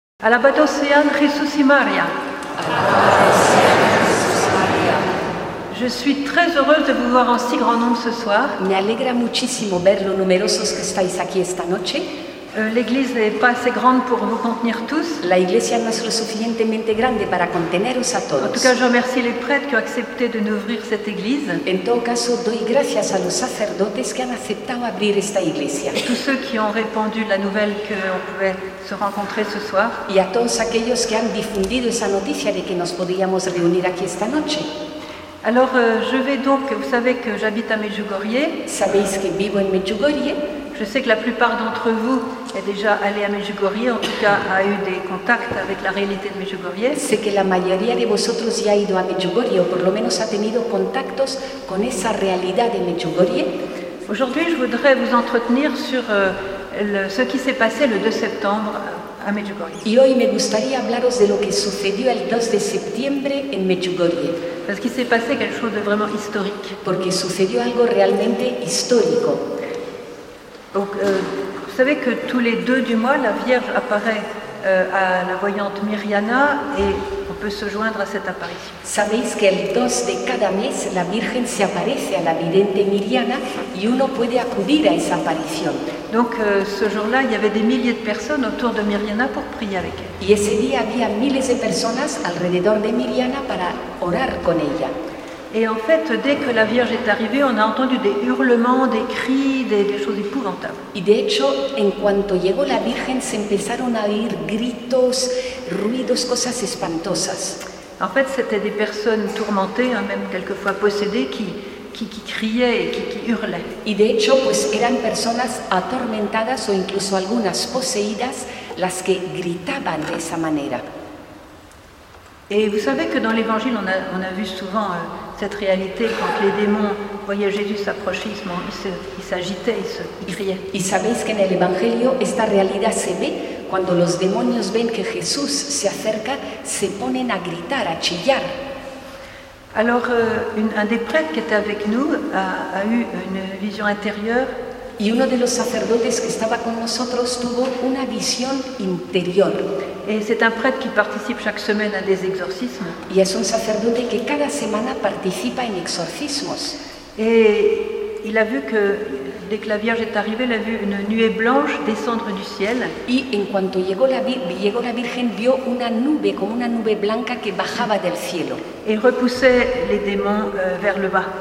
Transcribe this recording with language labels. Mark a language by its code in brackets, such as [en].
[es] Alabado sean Jesús y María. [fr] Je suis très heureuse de vous voir en si grand nombre ce soir. [es] Me alegra muchísimo ver lo numerosos que estáis aquí esta noche. [fr] L'église n'est pas assez grande pour vous contenir tous. [es] La iglesia no es lo suficientemente grande para conteneros a todos. [fr] En tout cas, je remercie les prêtres qui ont accepté de nous ouvrir cette église. [es] En todo caso, doy gracias a los sacerdotes que han aceptado abrir esta iglesia. [fr] Tous ceux qui ont répondu la nouvelle qu'on pouvait se rencontrer ce soir. [es] Y a todos aquellos que han difundido esa noticia de que nos podíamos reunir aquí esta noche. [fr] Alors, je vais donc, vous savez que j'habite à Medjugorje. [es] Sabéis que vivo en Medjugorje. [fr] Je sais que la plupart d'entre vous est déjà allé à Medjugorje, en tout cas a eu des contacts avec la réalité de Medjugorje. [es] Sé que la mayoría de vosotros ya ha ido a Medjugorje, o por lo menos ha tenido contactos con esa realidad de Medjugorje. [fr] Aujourd'hui, je voudrais vous entretenir sur ce qui s'est passé le 2 septembre à Medjugorje. [es] Y hoy me gustaría hablaros de lo que sucedió el 2 de septiembre en Medjugorje. [fr] Parce qu'il s'est passé quelque chose de vraiment historique. [es] Porque sucedió algo realmente histórico. [fr] Donc, vous savez que tous les deux du mois, la Vierge apparaît à la voyante Mariana et on peut se joindre à cette apparition. [es] Sabéis que el 2 de cada mes, la Virgen se aparece a la vidente Mariana y uno puede acudir a esa aparición. [fr] Donc, ce jour-là, il y avait des milliers de personnes autour de Mariana pour prier avec elle. [es] Y ese día había miles de personas alrededor de Mariana para orar con ella. [fr] Et en fait, dès que la Vierge est arrivée, on a entendu des hurlements, des cris, des choses épouvantables. [es] Y de hecho, en cuanto llegó la Virgen, se empezaron a oír gritos, ruidos, cosas espantosas. [fr] En fait, c'était des personnes tourmentées, hein, même quelquefois possédées, qui criaient et qui hurlaient. [es] Y de hecho, pues eran personas atormentadas o incluso algunas poseídas las que gritaban de esa manera. [fr] Et vous savez que dans l'Évangile, on a vu souvent cette réalité, quand les démons voyaient Jésus s'approcher, ils s'agitaient, ils criaient. [es] Y sabéis que en el Evangelio esta realidad se ve cuando los demonios ven que Jesús se acerca, se ponen a gritar, a chillar. [fr] Alors, un des prêtres qui était avec nous a eu une vision intérieure. [es] Y uno de los sacerdotes que estaba con nosotros tuvo una visión interior. [fr] Et c'est un prêtre qui participe chaque semaine à des exorcismes. [es] Y es un sacerdote que cada semana participa en exorcismos. [fr] Et il a vu que dès que la Vierge est arrivée, il a vu une nuée blanche descendre du ciel. [es] Y en cuanto llegó la Virgen, vio una nube, como una nube blanca que bajaba del cielo. [fr] Et repoussait les démons vers le bas.